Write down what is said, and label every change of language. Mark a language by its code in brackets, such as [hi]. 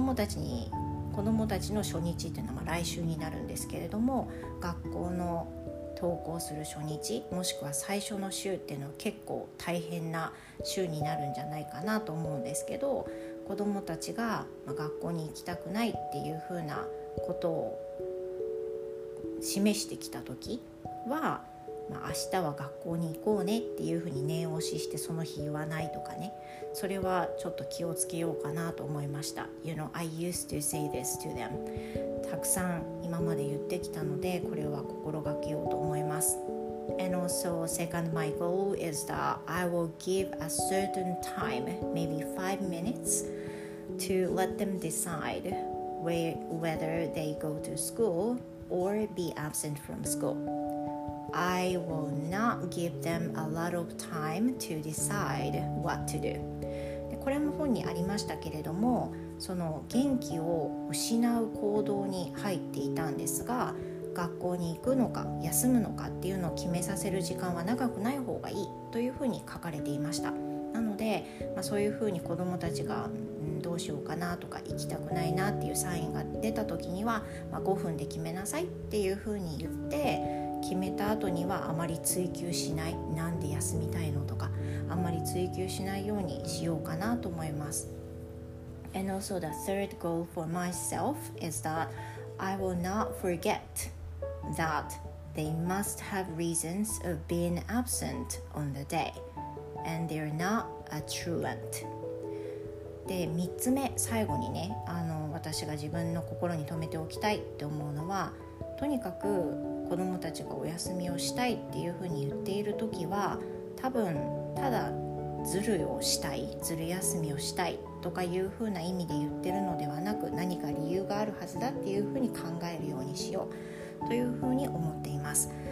[ja] 子供たちの初日っていうのはまあ来週になるんですけれども、学校の登校する初日もしくは最初の週っていうのは結構大変な週になるんじゃないかなと思うんですけど、子どもたちが学校に行きたくないっていうふうなことを示してきた時は、まあ、明日は学校に行こうねっていうふうに念押ししてその日言わないとかね、それはちょっと気をつけようかなと思いました。 [en] You know, I used to say this to them. [ja] たくさん今まで言ってきたので、これは心がけようと思います。 [en] And also, second, my goal is that I will give a certain time, maybe 5 minutes, to let them decide whether they go to school or be absent from school. I will not give them a lot of time to decide what to do. [ja] これも本にありましたけれども、その元気を失う行動に入っていたんですが、学校に行くのか休むのかっていうのを決めさせる時間は長くない方がいいというふうに書かれていました。なので、まあ、そういうふうに子どもたちがどうしようかなとか行きたくないなっていうサインが出た時には、まあ、5分で決めなさいっていうふうに言って、決めた後にはあまり追求しない、なんで休みたいのとかあんまり追求しないようにしようかなと思います。 [en] And also the third goal for myself is that I will not forget that they must have reasons of being absent on the day and they're not a truant。 [ja] で、3つ目、最後にね、私が自分の心に留めておきたいって思うのは、とにかく子どもたちがお休みをしたいっていうふうに言っているときは、多分ただずるをしたい、ずる休みをしたいとかいうふうな意味で言ってるのではなく、何か理由があるはずだっていうふうに考えるようにしようというふうに思っています。